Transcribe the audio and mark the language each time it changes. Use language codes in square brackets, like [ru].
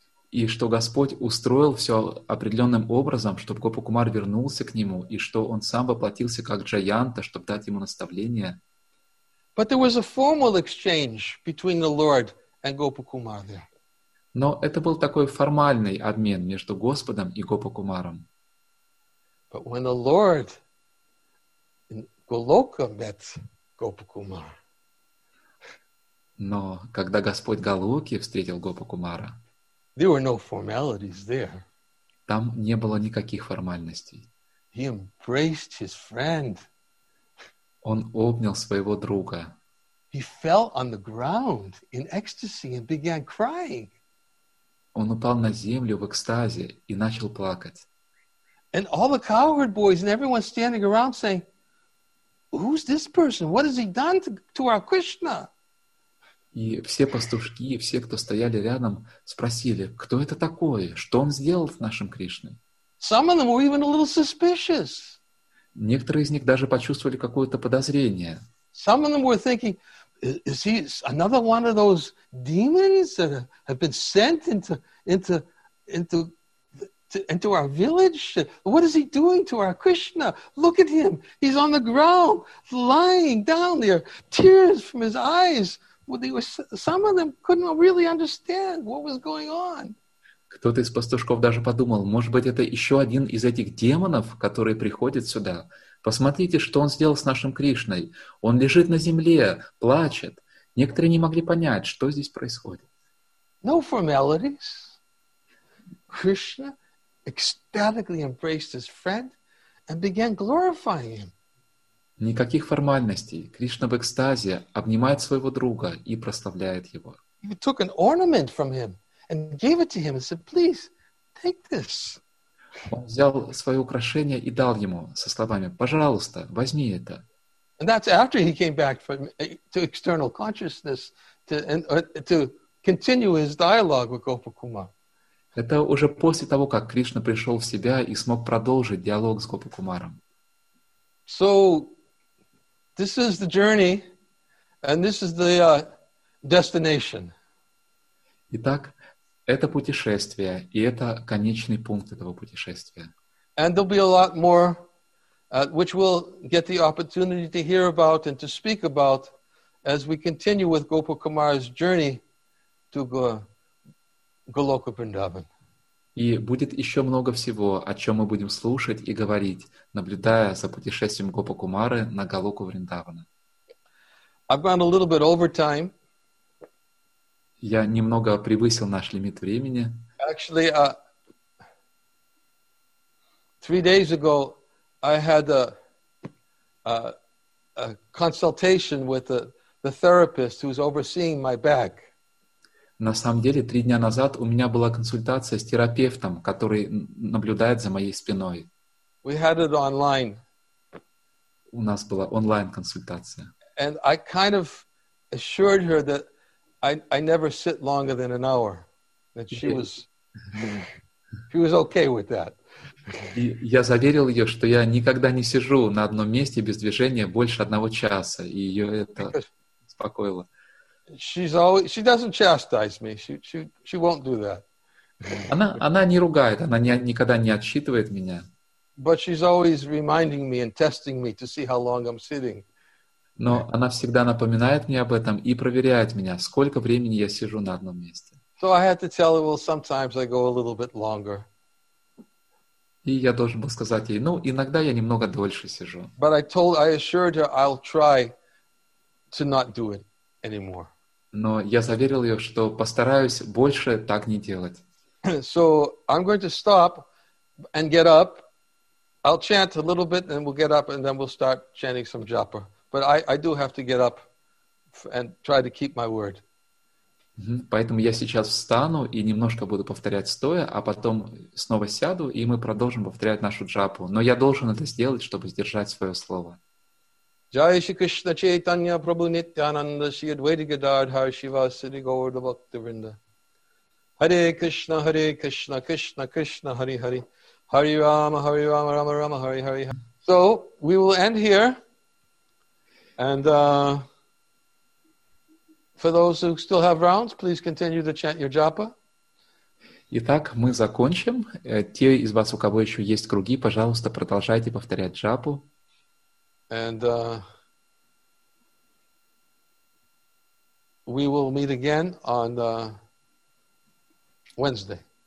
[ru] И что Господь устроил все определенным образом, чтобы Гопакумар вернулся к нему, и что он сам воплотился как Джаянта, чтобы дать ему наставление. [en] But there was a formal exchange between the Lord and Gopakumar there. [ru] Но это был такой формальный обмен между Господом и Гопакумаром. [en] But when the Lord in Goloka met Gopakumar. [ru] Но когда Господь Галоки встретил Гопакумара, [en] there were no formalities there. [ru] Там не было никаких формальностей. [en] He embraced his friend. [ru] Он обнял своего друга. [en] He fell on the ground in ecstasy and began crying. [ru] Он упал на землю в экстазе и начал плакать. [en] And all the cowherd boys and everyone standing around saying, "Who's this person? What has he done to our Krishna?" [ru] И все пастушки, и все, кто стояли рядом, спросили, кто это такой? Что он сделал с нашим Кришной? [en] Some of them were even a little suspicious. [ru] Некоторые из них даже почувствовали какое-то подозрение. [en] Some of them were thinking, is he another one of those demons that have been sent into our village? What is he doing to our Krishna? Look at him. He's on the ground, lying down there, tears from his eyes. Some of them couldn't really understand what was going on. [ru] Кто-то из пастушков даже подумал, может быть, это еще один из этих демонов, которые приходят сюда. Посмотрите, что он сделал с нашим Кришной. Он лежит на земле, плачет. Некоторые не могли понять, что здесь происходит. [en] No formalities. Krishna ecstatically embraced his friend and began glorifying him. [ru] Никаких формальностей. Кришна в экстазе обнимает своего друга и прославляет его. [en] He took an ornament from him and gave it to him and said, "Please, take this." [ru] Он взял свое украшение и дал ему со словами, "Пожалуйста, возьми это." [en] And that's after he came back to external consciousness to continue his dialogue with Gopakumar. [ru] Это уже после того, как Кришна пришел в себя и смог продолжить диалог с Гопакумаром. [en] So this is the journey, and this is the destination. [ru] Итак, это путешествие, и это конечный пункт этого путешествия. [en] And there'll be a lot more, which we'll get the opportunity to hear about and to speak about as we continue with Gopakumara's journey to Goloka Vrindavan. [ru] И будет еще много всего, о чем мы будем слушать и говорить, наблюдая за путешествием Гопакумары на Голоку Вриндавана. [en] I've gone a little bit over time. [ru] Я немного превысил наш лимит времени. [en] Actually, 3 days ago I had a consultation with the therapist who's overseeing my back. [ru] На самом деле, 3 дня назад у меня была консультация с терапевтом, который наблюдает за моей спиной. [en] We had it online. [ru] У нас была онлайн-консультация. [en] And I kind of assured her that I never sit longer than an hour. That she was okay with that. [ru] И я заверил ее, что я никогда не сижу на одном месте без движения больше 1 часа. И ее это успокоило. [en] She doesn't chastise me. She won't do that. [ru] Она не ругает, она никогда не отчитывает меня. [en] But she's always reminding me and testing me to see how long I'm sitting. [ru] Но она всегда напоминает мне об этом и проверяет меня, сколько времени я сижу на одном месте. [en] So I had to tell her, well, sometimes I go a little bit longer. [ru] И я должен был сказать ей, ну, иногда я немного дольше сижу. [en] But I told, I assured her, I'll try to not do it anymore. [ru] Но я заверил ее, что постараюсь больше так не делать. [en] So I'm going to stop and get up. I'll chant a little bit, and we'll get up, and then we'll start chanting some japa. But I do have to get up and try to keep my word. [ru] Поэтому я сейчас встану и немножко буду повторять стоя, а потом снова сяду, и мы продолжим повторять нашу джапу. Но я должен это сделать, чтобы сдержать свое слово. [sa] Jai Shri Krishna Chaitanya Prabhu Nityananda Shri Advaita Gadadhara Shiva Siddhi Gaurava Bhaktivinoda. Hare Krishna, Krishna Krishna, Hari Hari. Hari Rama, Rama Rama, Hari Hari. [en] So, we will end here. And for those who still have rounds, please continue to chant your japa. [ru] Итак, мы закончим. Те из вас, у кого еще есть круги, пожалуйста, продолжайте повторять джапу. [en] And we will meet again on Wednesday.